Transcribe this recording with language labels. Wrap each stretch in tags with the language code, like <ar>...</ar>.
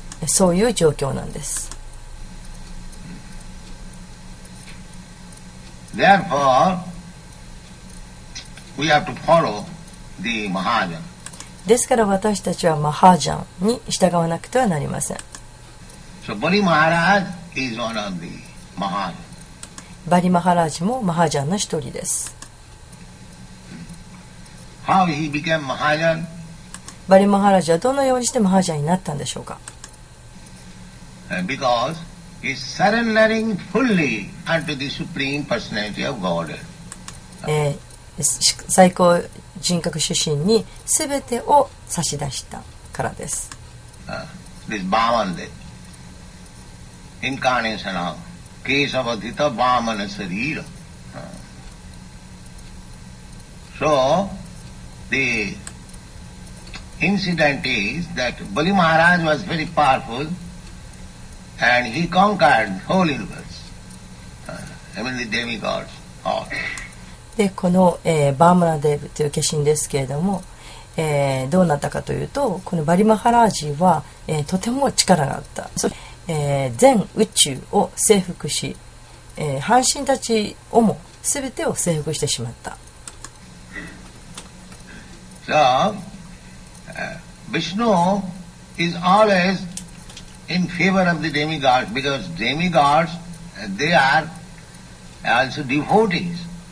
<ja>そういう状況なんです。</ja> <en>Therefore we have to follow the Mahajan.</en> <ja>ですから私たちはマハージャンに従わなくてはなりません。</ja> <en>So, Bali Maharaj is one of the Mahajan.</en> <ja>バリマハラージもマハージャンの一人です。</ja> <en>How he became Mahajan?</en> <ja>バリマハラージはどのようにしてマハージャンになったんでしょうか。</ja> <en>Because he is surrendering fully unto the supreme personality of God.</en> <ja>最高人格主神に全てを差し出したからです。</ja> <en>This Bhaman de incarnation of Keshavadhita Bhaman Sarira. So the incident is that Bali Maharaj was very powerful and he conquered whole universe. I mean the demigods all.</en> <ja>でこの、バーマナデーブという化身ですけれども、どうなったかというと、このバリマハラージは、とても力があった。そ、全宇宙を征服し、半身たちをも全てを征服してしまった。</ja> <en>So, Vishnu is always in favor of the demigods because demigods, they are also devotees.</en>